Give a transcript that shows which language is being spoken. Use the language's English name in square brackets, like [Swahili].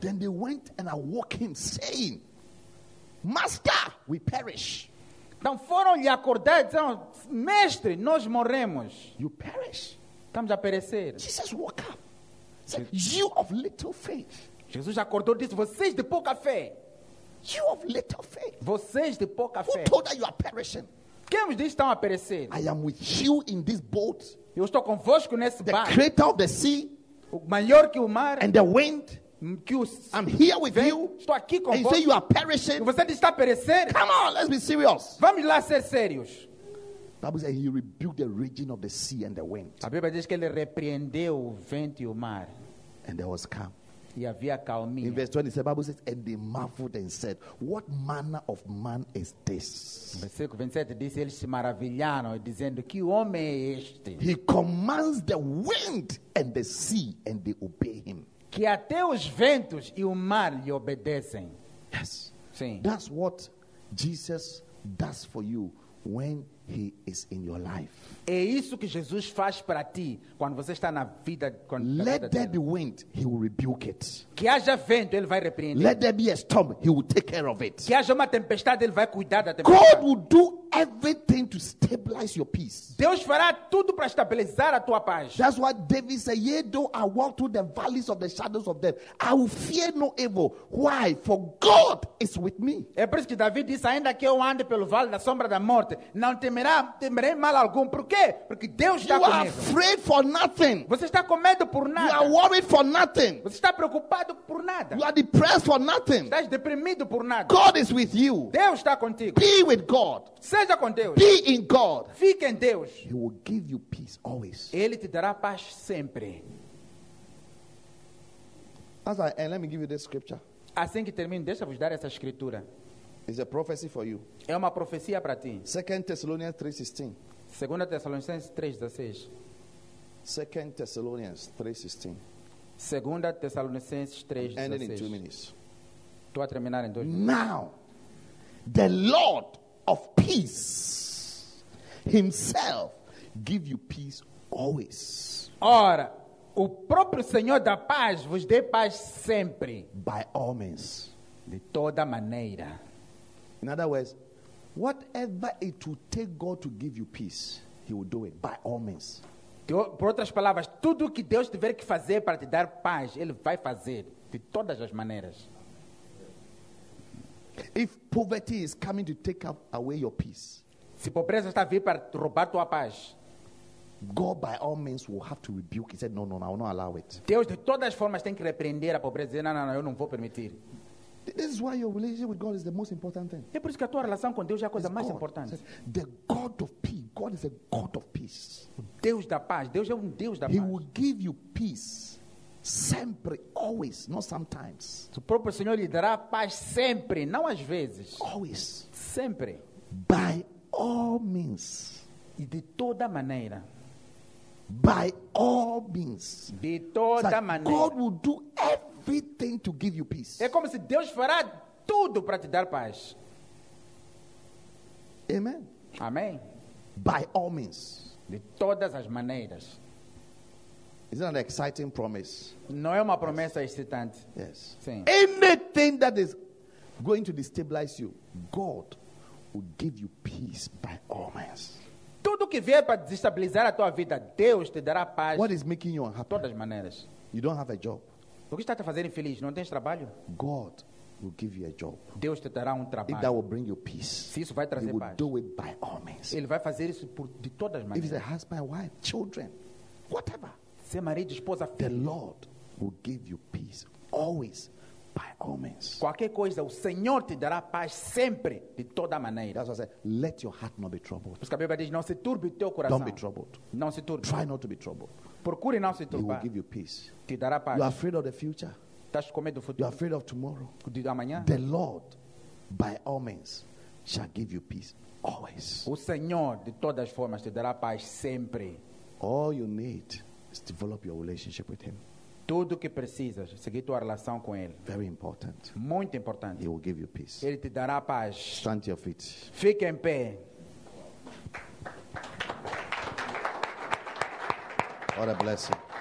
[English] Then they went and awoke him, saying, Master, we perish. [Portuguese] Então foram lhe acordar e disseram, Mestre, nós morremos. [English] You perish. [Portuguese] Estamos a perecer. [English] Jesus woke up. Said, you of little faith. [Portuguese] Jesus acordou e disse, vocês de pouca fé. [English] You of little faith. [Portuguese] Vocês de pouca [English] Who [Portuguese] fé. [English] Who told that you are perishing? [Portuguese] Quem vos disse que estão a perecer? [English] I am with you in this boat. [Portuguese] Eu estou convosco nesse [English] the [Portuguese] barco. [English] The creator of the sea. [Portuguese] O maior que o mar. [English] And the wind. I'm here with you. [Portuguese] Estou aqui com [English] and you [Portuguese] vos. [English] Say you are perishing. [Portuguese] Você está perecendo. [English] Come on, let's be serious. [Portuguese] Vamos lá ser sérios. [English] The Bible says he rebuked the raging of the sea and the wind. [Portuguese] A Bíblia diz que ele repreendeu o vento e o mar. [English] And there was calm. [Portuguese] E havia calminha. [English] In verse 20, the Bible says, and they marveled and said, what manner of man is this? [Portuguese] Versículo 27 diz, eles se maravilharam, dizendo, que homem é este? [English] He commands the wind and the sea, and they obey him. [Portuguese] Que até os ventos e o mar lhe obedecem. [English] Yes. [Portuguese] Sim. [English] That's what Jesus does for you when he is in your life. [Portuguese] É isso que Jesus faz para ti quando você está na vida. [English] Let there be wind, he will rebuke it. [Portuguese] Que haja vento, ele vai repreender. [English] Let there be a storm, he will take care of it. [Portuguese] Que haja uma tempestade, ele vai cuidar da tempestade. [English] God will do everything to stabilize your peace. [Portuguese] Deus fará tudo para estabilizar a tua paz. [English] That's why David said, yea, though I walk through the valleys of the shadows of death, I will fear no evil. Why? For God is with me. [Portuguese] É por isso que David disse, ainda que eu ande pelo vale da sombra da morte, não temerei mal algum. Por quê? Porque Deus está comigo. [English] You are afraid for nothing. [Portuguese] Você está com medo por nada. [English] You are worried for nothing. [Portuguese] Você está preocupado por nada. [English] You are depressed for nothing. [Portuguese] Estás deprimido por nada. [English] God is with you. [Portuguese] Deus está contigo. [English] Be with God. [Portuguese] Seja com Deus. [English] Be in God. [Portuguese] Fique em Deus. [English] He will give you peace always. [Portuguese] Ele te dará paz sempre. [English] As I, and let me give you this scripture. [Portuguese] Assim que termino, deixa-vos dar essa escritura. [English] It's a prophecy for you. [Portuguese] É uma profecia para ti. [English] 2 Thessalonians 3:16. [Portuguese] 2 Tessalonicenses 3:16. [English] 2 Thessalonians 3:16. [Portuguese] 2 Tessalonicenses 3:16. [English] And in 2 minutes. [Portuguese] Tô a terminar em 2 minutos. [English] Now, the Lord of peace himself give you peace always. [Portuguese] Ora, o próprio Senhor da paz vos dê paz sempre. [English] By all means. [Portuguese] De toda maneira. [English] In other words, whatever it will take God to give you peace, he will do it by all means. [Portuguese] Por outras palavras, tudo que Deus tiver que fazer para te dar paz, ele vai fazer de todas as maneiras. [English] If poverty is coming to take away your peace, [Portuguese] se pobreza está vindo para roubar tua paz, [English] God by all means will have to rebuke. He said, no, no, no, I will not allow it. [Portuguese] Deus de todas as formas tem que repreender a pobreza. Não, não, não, eu não vou permitir. [English] This is why your relationship with God is the most important thing. [Portuguese] É por isso que a tua relação com Deus é a coisa mais importante. [English] The God of peace. God is a God of peace. [Portuguese] Deus da paz. Deus é Deus da paz. [English] He will give you peace. Sempre, always, not sometimes. [Portuguese] O próprio Senhor lhe dará paz sempre, não às vezes. [English] Always. [Portuguese] Sempre. [English] By all means. [Portuguese] E de toda maneira. [English] By all means. [Portuguese] De toda maneira. [English] God will do everything to give you peace. [Portuguese] É como se Deus fará tudo para te dar paz. [English] Amen. [Portuguese] Amém. [English] By all means. [Portuguese] De todas as maneiras. [English] Isn't that an exciting promise? [Portuguese] Não é uma promessa excitante. [English] Yes. [Portuguese] Sim. [English] Anything that is going to destabilize you, God will give you peace by all means. [Portuguese] Tudo que vier para destabilizar a tua vida, Deus te dará paz. [English] What is making you unhappy? [Portuguese] Todas as maneiras. [English] You don't have a job. [Portuguese] O que está te fazendo infeliz? Não tens trabalho? [English] God will give you a job. [Portuguese] Deus te dará trabalho. [English] If that will bring you peace, [Portuguese] se isso vai trazer [English] he will [Portuguese] paz. [English] Do it by all means. [Portuguese] Ele vai fazer isso por, de todas as maneiras. [English] If it's a husband, wife, children, whatever. [Portuguese] Ser marido, esposa, filho. [English] The Lord will give you peace always by all means. [Portuguese] Qualquer coisa, o Senhor te dará paz sempre, de toda maneira. [English] That's what I said. Let your heart not be troubled. [Portuguese] Porque a Bíblia diz, não se turbe o teu coração. [English] Don't be troubled. [Portuguese] Não se turbe. [English] Try not to be troubled. [Portuguese] Procure não se turbar. [English] He will give you peace. [Portuguese] Te dará paz. [English] You are afraid of the future. [Portuguese] Estás com medo do futuro. [English] You are afraid of tomorrow. [Portuguese] De amanhã. [English] The Lord, by all means, shall give you peace always. [Portuguese] O Senhor, de todas as formas, te dará paz sempre. [English] All you need is develop your relationship with him. [Portuguese] Tudo que precisas, seguir tua relação com ele. [English] Very important. [Portuguese] Muito importante. [English] He will give you peace. [Portuguese] Ele te dará paz. [English] Stand to your feet. [Portuguese] Fique em pé. [English] What a blessing.